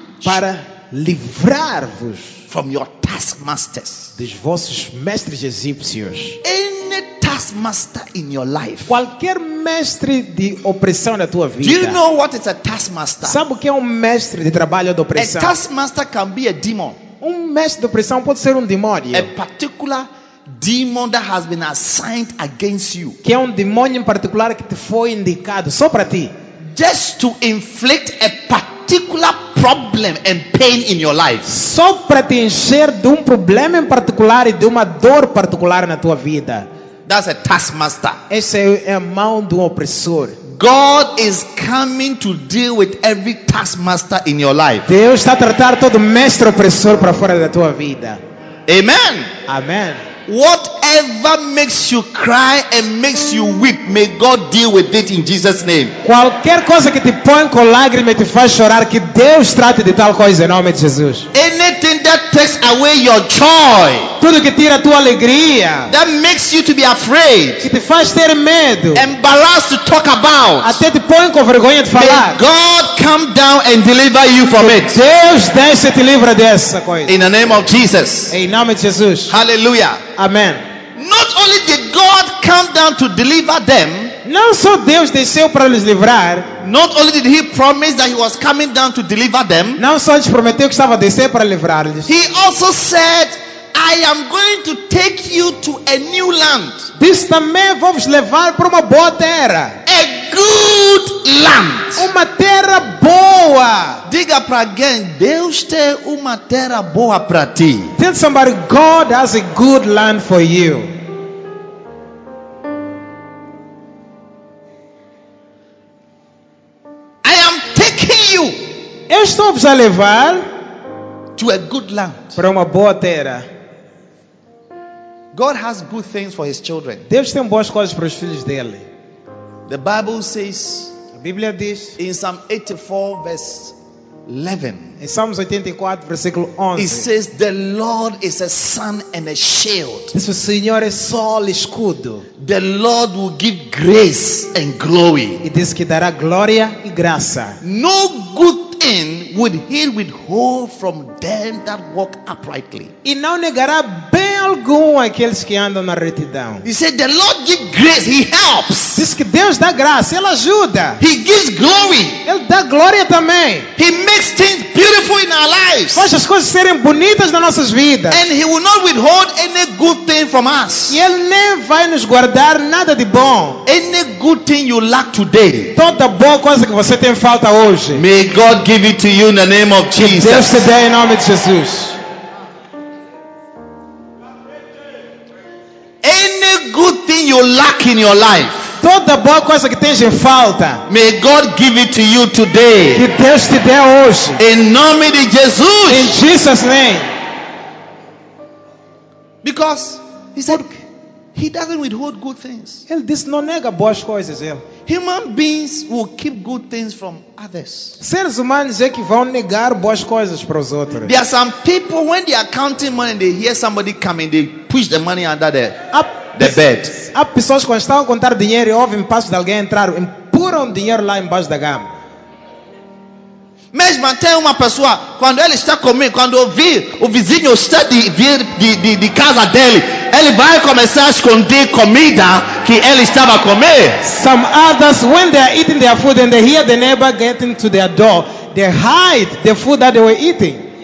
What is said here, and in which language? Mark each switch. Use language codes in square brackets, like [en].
[pt] para livrar-vos [en] from your taskmasters, [pt] dos vossos mestres egípcios. [en] Any taskmaster in your life, [pt] qualquer mestre de opressão na tua vida. [en] Do you know what is a taskmaster? [pt] Sabe o que é mestre de trabalho de opressão? [en] A taskmaster can be a demon. [pt] Mestre de opressão pode ser demônio. [en] A particular demon that has been assigned against you. [pt] Que é demônio em particular que te foi indicado só para ti. [en] Just to inflict a particular problem and pain in your life. [pt] Só para te encher de problema em particular e de dor particular na tua vida. [en] That's a taskmaster. [pt] Esse é mão do opressor. [en] God is coming to deal with every taskmaster in your life. [pt] Deus está a tratar todo mestre opressor para fora da tua vida. [en] Amen. [pt] Amen. [en] Whatever makes you cry and makes you weep, may God deal with it in Jesus' name. [pt] Qualquer coisa que te põe com lágrima e te faz chorar, que Deus trate de tal coisa em nome de Jesus. [en] Anything that takes away your joy, [pt] tudo que tira a tua alegria, [en] that makes you to be afraid, [pt] que te faz ter medo, [en] embarrassed to talk about, [pt] até te põe com vergonha de falar, [en] may God come down and deliver you from it. [pt] Deus desce e te livra dessa coisa. [en] In the name of Jesus. [pt] Em nome de Jesus. [en] Hallelujah. [pt] Amen. [en] Not only did God come down to deliver them, [pt] não só Deus desceu para lhes livrar. [en] Not only did He promise that He was coming down to deliver them, [pt] não só lhes prometeu que estava a descer para livrar-lhes. [en] He also said, I am going to take you to a new land. [pt] Diz também, vou-vos levar para uma boa terra. [en] A good land. [pt] Uma terra boa. Diga para alguém, Deus tem uma terra boa para ti. [en] Tell somebody, God has a good land for you. I am taking you. [pt] Eu estou-vos a levar [en] to a good land. [pt] Para uma boa terra. [en] God has good things for His children. [pt] Deus tem boas coisas para os filhos dele. [en] The Bible says, [pt] a Bíblia diz, [en] in Psalm 84 verse 11, [pt] em Salmos 84 versículo 11, [en] it says, the Lord is a sun and a shield. [pt] Diz, o Senhor é sol e escudo. [en] The Lord will give grace and glory. [pt] E diz que dará glória e graça. [en] No good thing would He withhold from them that walk uprightly. [pt] E não negará bem algum aqueles que andam na retidão. [en] He said, the Lord gives grace, He helps. [pt] Diz que Deus dá graça, Ele ajuda. [en] He gives glory. [pt] Ele dá glória também. [en] He makes things beautiful in our lives. [pt] Faz as coisas serem bonitas nas nossas vidas. [en] And He will not withhold any good thing from us. [pt] E Ele nem vai nos guardar nada de bom. [en] Any good thing you lack today. [pt] Toda boa coisa que você tem falta hoje. [en] May God give it to you in the name of Jesus. [pt] Deus te dê em nome de Jesus. [en] Good thing you lack in your life. [pt] Toda boa coisa que tens em falta. [en] May God give it to you today. [pt] Que Deus te dê hoje. Em nome de Jesus. [en] In Jesus' name. Because He said, He doesn't withhold good things. [pt] Ele diz, não nega boas coisas. [en] Human beings will keep good things from others. [pt] Seres humanos é que vão negar boas coisas para os outros. [en] There are some people when they are counting money, they hear somebody coming, they push the money under there. The bed. [pt] Há pessoas quando estão a contar dinheiro e ouvem passos de alguém entrar, empurram dinheiro lá embaixo da cama. Mesmo até uma pessoa, quando ele está comigo, quando ouvir o vizinho está de casa dele, ele vai começar a esconder comida que ele estava a comer. [en] Some others, when they are eating their food and they hear the neighbor getting to their door, they hide the food that they were eating.